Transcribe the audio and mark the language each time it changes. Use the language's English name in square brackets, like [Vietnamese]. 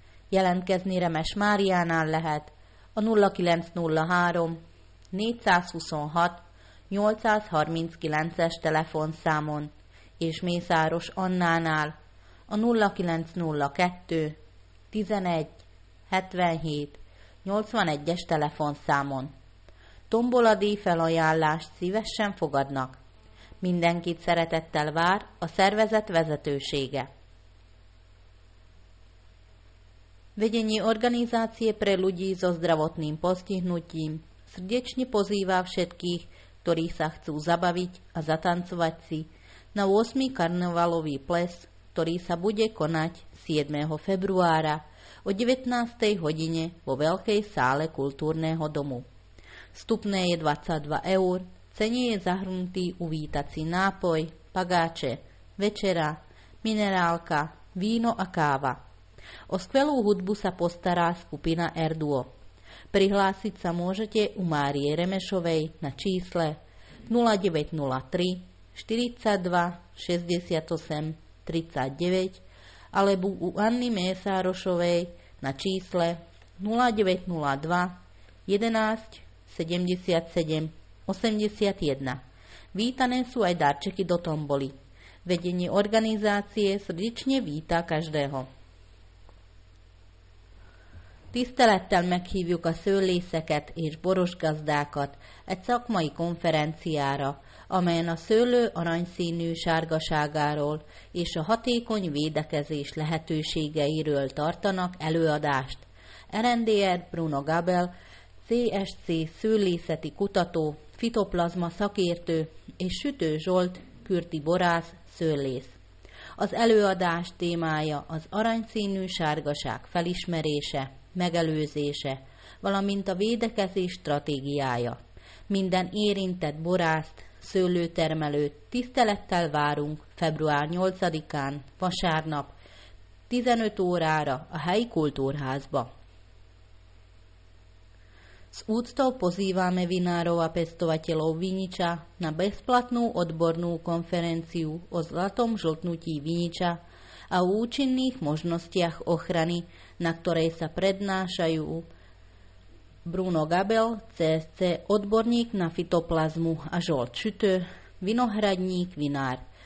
[Hungarian] Jelentkezni Remes Máriánál lehet a 0903 426 839-es telefonszámon és Mészáros Annánál a 0902 11 77 81-es telefonszámon. Tomboladi felajánlást szívesen fogadnak. Mindenkit szeretettel vár a szervezet vezetősége. [Slovak] Vegyenyi organizácie pre ľudí so zdravotným postihnutím srdečne pozýva všetkých, ktorí sa chcú zabaviť a zatancovať si na 8. karnevalový ples, ktorý sa bude konať 7. februára o 19. hodine vo Veľkej sále kultúrneho domu. Vstupné je 22 eur, cene je zahrnutý uvítací nápoj, pagáče, večera, minerálka, víno a káva. O skvelú hudbu sa postará skupina Erdőó. Prihlásiť sa môžete u Márie Remešovej na čísle 0903 42 68 39 alebo u Anny Mészárosovej na čísle 0902 11 77 81. Vítané sú aj darčeky do tomboly. Vedenie organizácie srdečne víta každého. [Hungarian] Tisztelettel meghívjuk a szőlészeket és borosgazdákat egy szakmai konferenciára, amelyen a szőlő aranyszínű sárgaságáról és a hatékony védekezés lehetőségeiről tartanak előadást. RNDR Bruno Gabel, CSC szőlészeti kutató, fitoplazma szakértő és Sütő Zsolt, kürti borász, szőlész. Az előadás témája az aranyszínű sárgaság felismerése, megelőzése, valamint a védekezés stratégiája. Minden érintett borászt, szőlőtermelőt tisztelettel várunk február 8-án, vasárnap, 15 órára a helyi kultúrházba. [Slovak] S úctou pozývame vinárov a pestovateľov viniča na bezplatnú odbornú konferenciu o zlatom žltnutí viniča a účinných možnostiach ochrany, na ktorej sa prednášajú Bruno Gabel, CSC, odborník na fitoplazmu a Žolt Šütő, vinohradník, vinár.